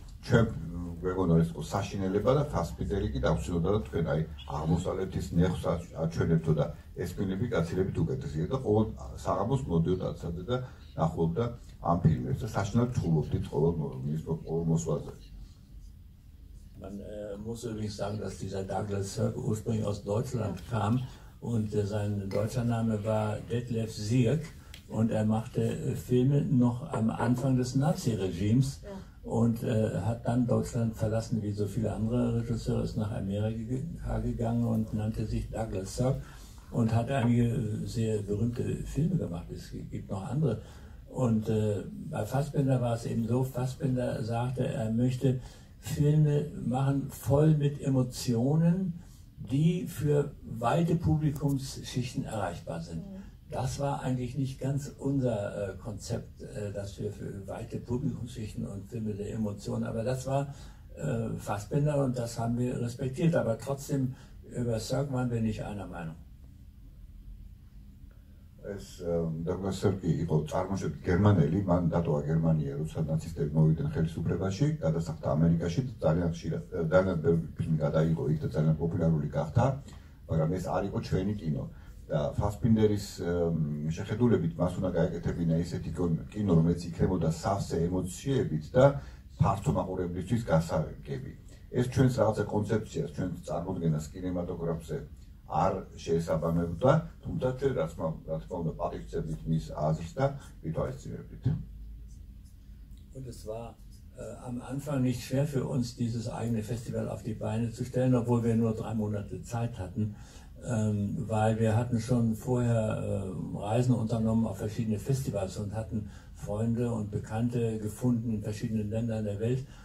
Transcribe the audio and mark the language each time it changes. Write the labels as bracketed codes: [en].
[ka] ჩვენ გვეგონა ეს საშინელება და Fassbinder-ი კი დავსვიოდა და თქვენ აი აღმოსავლეთის ნეხს აჩვენებთო და ეს ფილმები კაცილებით უკეთესია და ყოველ 60-ს მოდიოდა ცადე და ნახულობდა ამ ფილმებს და საშინელ ცხოვრობდით ყოველ მოსვლაზე. [de] Man muss übrigens sagen, dass dieser Douglas Sirk ursprünglich aus Deutschland kam und sein deutscher Name war Detlef Sirk und er machte Filme noch am Anfang des Nazi-Regimes und hat dann Deutschland verlassen, wie so viele andere Regisseure, ist nach Amerika gegangen und nannte sich Douglas Sirk und hat einige sehr berühmte Filme gemacht. Es gibt noch andere. Und bei Fassbinder war es eben so, Fassbinder sagte, er möchte Filme machen voll mit Emotionen, die für weite Publikumsschichten erreichbar sind. Das war eigentlich nicht ganz unser Konzept, dass wir für weite Publikumsschichten und Filme der Emotionen, aber das war Fassbinder und das haben wir respektiert, aber trotzdem über Sirk waren wir nicht einer Meinung. [ka] ეს Douglas Sirk-ი იყო წარმოშობით გერმანელი, მან დატოვა გერმანია, როცა ნაცისტები მოვიდნენ ხელისუფლებაში, გადასახლდა ამერიკაში და ძალიან ხშირად ფილმი გადაიღო იქ და ძალიან პოპულარული გახდა, მაგრამ ეს არ იყო ჩვენი კინო. და Fassbinder-ის შეხედულებით მას უნდა გაეკეთებინა ისეთი კინო, რომელიც იქნებოდა სავსე ემოციებით და ფართო მაყურებლისთვის გასაგები. ეს ჩვენს რაღაცა კონცეფციას, ჩვენს წარმოდგენას კინემატოგრაფზე არ შეესაბამებოდა, თუმცა ჩვენ რა თქმა უნდა პატივცემდით მის აზრს და ვითვალისწინებდით. [de] Und es war am Anfang nicht schwer für uns, dieses eigene Festival auf die Beine zu stellen, obwohl wir nur 3 Monate Zeit hatten, weil wir hatten schon vorher Reisen unternommen auf verschiedene Festivals und hatten Freunde und Bekannte gefunden in verschiedenen Ländern der Welt